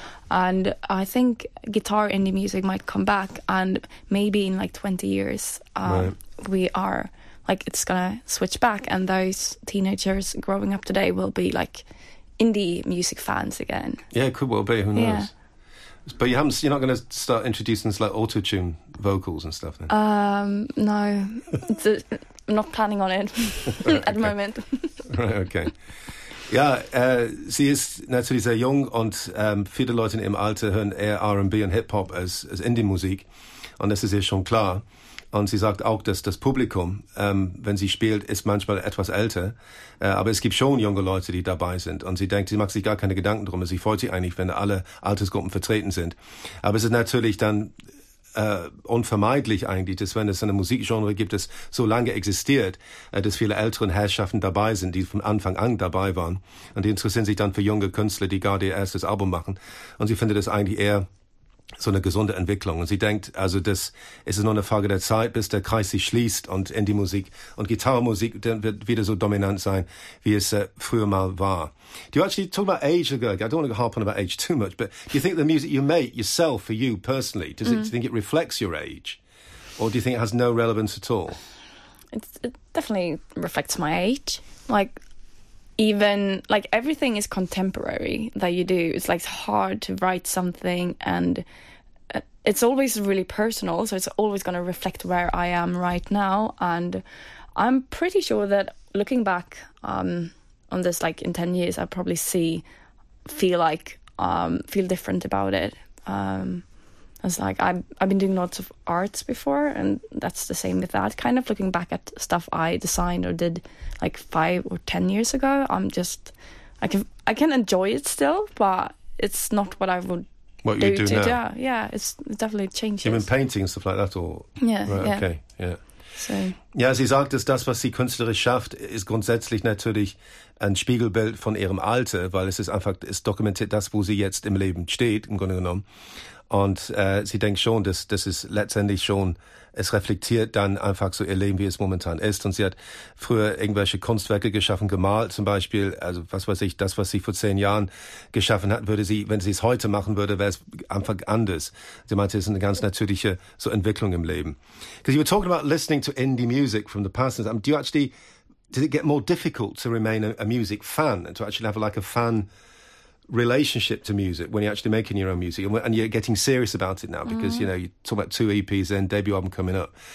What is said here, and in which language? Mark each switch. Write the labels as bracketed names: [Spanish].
[English] And I think guitar indie music might come back, and maybe in like 20 years, we are like, it's gonna switch back, and those teenagers growing up today will be like indie music fans again. Yeah, it could well be. Who knows? Yeah. But you're not going to start introducing like auto-tune vocals and stuff then? No. I'm not planning on it at the moment. Right, okay. [German] Ja, sie ist natürlich sehr jung und viele Leute im Alter hören eher R&B und Hip-Hop als Indie-Musik. Und das ist ihr schon klar. Und sie sagt auch, dass das Publikum, wenn sie spielt, ist manchmal etwas älter. Aber es gibt schon junge Leute, die dabei sind. Und sie denkt, sie macht sich gar keine Gedanken drum. Sie freut sich eigentlich, wenn alle Altersgruppen vertreten sind. Aber es ist natürlich dann unvermeidlich eigentlich, dass wenn es eine Musikgenre gibt, das so lange existiert, dass viele älteren Herrschaften dabei sind, die von Anfang an dabei waren. Und die interessieren sich dann für junge Künstler, die gerade ihr erstes Album machen. Und sie findet das eigentlich eher so eine gesunde Entwicklung. Und sie denkt, also das ist nur eine Frage der Zeit, bis der Kreis sich schließt und Indie-Musik und Gitarrenmusik wird wieder so dominant sein, wie es früher mal war. [English] Do you actually talk about age? I don't want to harp on about age too much, but do you think the music you make yourself, for you personally, do you think it reflects your age? Or do you think it has no relevance at all? It definitely reflects my age. Like, even like everything is contemporary that you do. It's like hard to write something, and it's always really personal, so it's always going to reflect where I am right now. And I'm pretty sure that looking back on this, like in 10 years, I'll probably feel different about it. It's like I've been doing lots of arts before, and that's the same with that. Kind of looking back at stuff I designed or did like 5 or 10 years ago, I'm just, I can enjoy it still, but it's not what I would what you do to now. Yeah, yeah, it's definitely changed. You mean painting and stuff like that, or yeah, right, yeah. Okay, yeah. So. [German] Ja, sie sagt, dass das, was sie künstlerisch schafft, ist grundsätzlich natürlich ein Spiegelbild von ihrem Alter, weil es ist einfach, es dokumentiert das, wo sie jetzt im Leben steht, im Grunde genommen. Und sie denkt schon, dass das ist letztendlich schon, es reflektiert dann einfach so ihr Leben, wie es momentan ist. Und sie hat früher irgendwelche Kunstwerke geschaffen, gemalt zum Beispiel. Also was weiß ich, das, was sie vor 10 Jahren geschaffen hat, würde sie, wenn sie es heute machen würde, wäre es einfach anders. Sie meinte, es ist eine ganz natürliche so Entwicklung im Leben. [English] Because you were talking about listening to indie music from the past. Did it get more difficult to remain a music fan and to actually have like a fan relationship to music when you're actually making your own music and you're getting serious about it now, because you know, you talk about 2 EPs and debut album coming up.